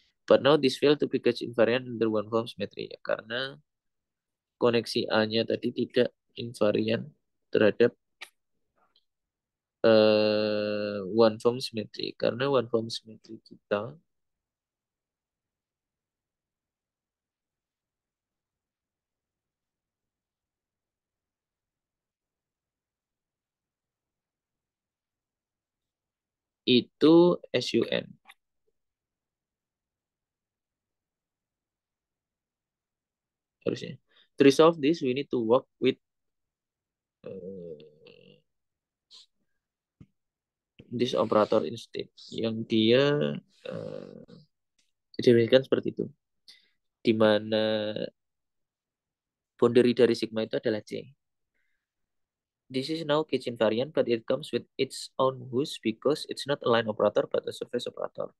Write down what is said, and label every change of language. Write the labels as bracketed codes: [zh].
[en] But now this failed to be gauge invariant under one form symmetry [id] ya, karena koneksi A-nya tadi tidak invariant terhadap one form symmetry, karena one form symmetry kita itu SUN. Harusnya. [en] To resolve this, we need to work with this operator instead, [id] yang dia diberikan seperti itu, di mana boundary dari sigma itu adalah C. [en] This is now kitchen variant, but it comes with its own rules because it's not a line operator but a surface operator.